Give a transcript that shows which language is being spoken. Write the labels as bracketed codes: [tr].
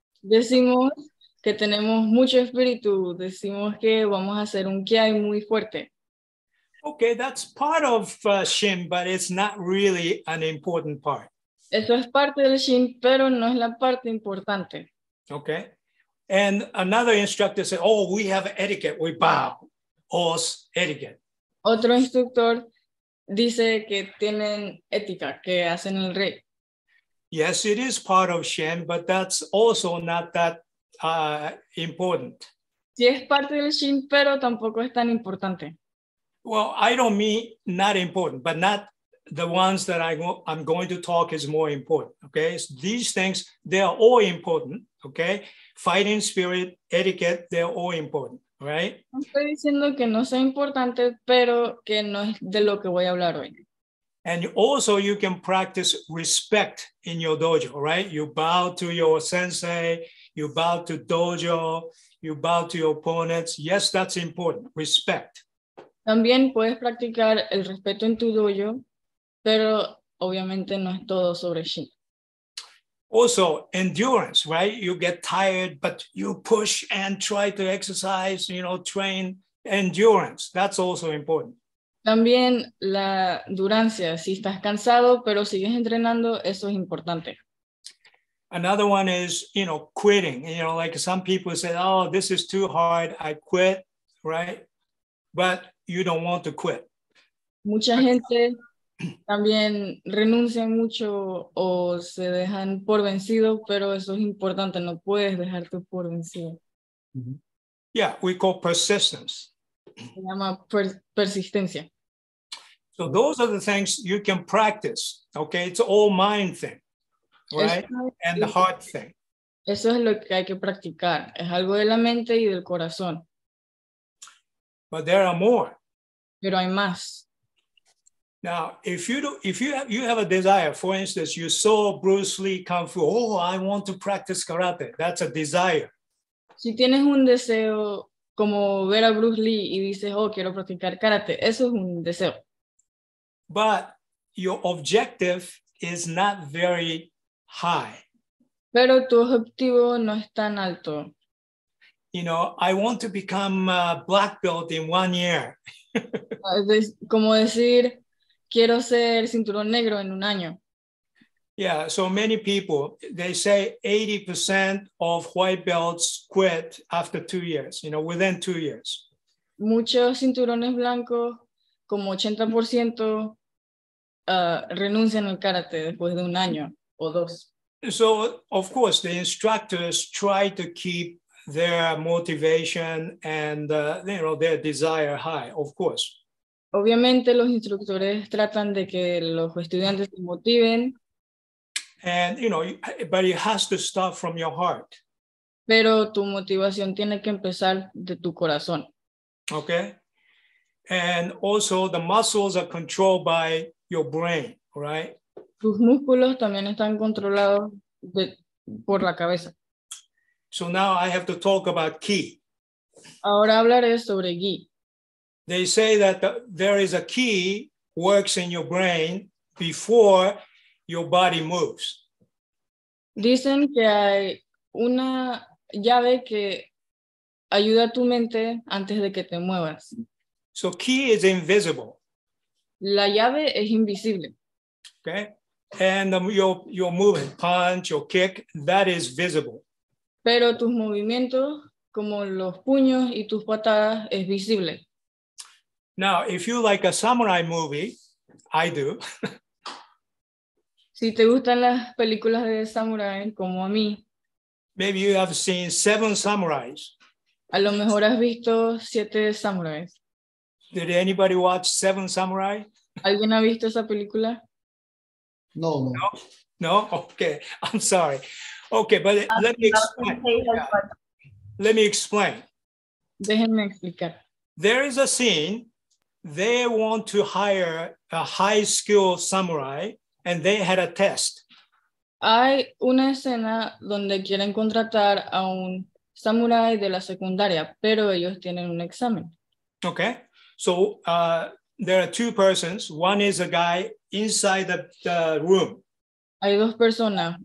[es] Decimos que tenemos mucho espíritu. Decimos que vamos a hacer un kia muy fuerte. [en] Okay, that's part of Shin, but it's not really an important part. [es] Eso es parte del Shin, pero no es la parte importante. [en] Okay. And another instructor said, oh, we have etiquette, we bow. Os etiquette. [es] Otro instructor dice que tienen ética, que hacen el rey. [en] Yes, it is part of Shin, but that's also not that important. [es] Sí, es parte del Shin, pero tampoco es tan importante. [en] Well, I don't mean not important, but not the ones that I'm going to talk is more important, okay? So these things, they are all important, okay? Fighting spirit, etiquette, they are all important, right? [es] No estoy diciendo que no sea importante, pero que no es de lo que voy a hablar hoy. [en] And also you can practice respect in your dojo, right? You bow to your sensei, you bow to dojo, you bow to your opponents. Yes, that's important, respect. [es] También puedes practicar el respeto en tu dojo, pero obviamente no es todo sobre Shin. [en] Also, endurance, right? You get tired, but you push and try to exercise, you know, train. Endurance, that's also important. [es] También la durancia, si estás cansado, pero sigues entrenando, eso es importante. [en] Another one is, you know, quitting. You know, like some people say, oh, this is too hard, I quit, right? But you don't want to quit. [es] Mucha gente también renuncia mucho o se dejan por vencido, pero eso es importante, no puedes dejarte por vencido. [en] Mm-hmm. Yeah, we call persistence. [es] Se llama persistencia. [en] So those are the things you can practice, okay? It's all mind thing, right? And the heart thing. [es] Eso es lo que hay que practicar, es algo de la mente y del corazón. [en] But there are more. [es] Pero hay más. [en] Now, if you have a desire, for instance, you saw Bruce Lee Kung Fu, oh, I want to practice karate. That's a desire. [es] Si tienes un deseo como ver a Bruce Lee y dices, oh, quiero practicar karate, eso es un deseo. [en] But your objective is not very high. [es] Pero tu objetivo no es tan alto. [en] You know, I want to become a black belt in 1 year. [es] Como decir, quiero ser cinturón negro en un año. [en] Yeah, so many people, they say 80% of white belts quit after 2 years, you know, within 2 years. [es] Muchos cinturones blancos, como 80%, renuncian al karate después de un año o dos. [en] So, of course, the instructors try to keep their motivation and, you know, their desire high, of course. [es] Obviamente, los instructores tratan de que los estudiantes se motiven. [en] And, you know, but it has to start from your heart. [es] Pero tu motivación tiene que empezar de tu corazón. [en] Okay. And also, the muscles are controlled by your brain, right? [es] Tus músculos también están controlados por la cabeza. [en] So now I have to talk about ki. [es] Ahora hablaré sobre gi. [en] They say that there is a ki works in your brain before your body moves. [es] Dicen que hay una llave que ayuda a tu mente antes de que te muevas. [en] So ki is invisible. [es] La llave es invisible. [en] Okay. And your movement, punch, your kick, that is visible. [es] Pero tus movimientos, como los puños y tus patadas, es visible. [en] Now, if you like a samurai movie, I do. [es] Si te gustan las películas de samurai, como a mí. [en] Maybe you have seen Seven Samurais. [es] A lo mejor has visto Siete Samurais. [en] Did anybody watch Seven Samurai? [es] ¿Alguien ha visto esa película? [en] No. No? No? Okay, I'm sorry. Okay, but let me explain. Let me explain. [es] Déjenme explicar. [en] There is a scene, they want to hire a high-skilled samurai, and they had a test. [es] Hay una escena donde quieren contratar a un samurai de la secundaria, pero ellos tienen un examen. [en] Okay, so there are two persons. One is a guy inside the room. [es] Hay dos personas.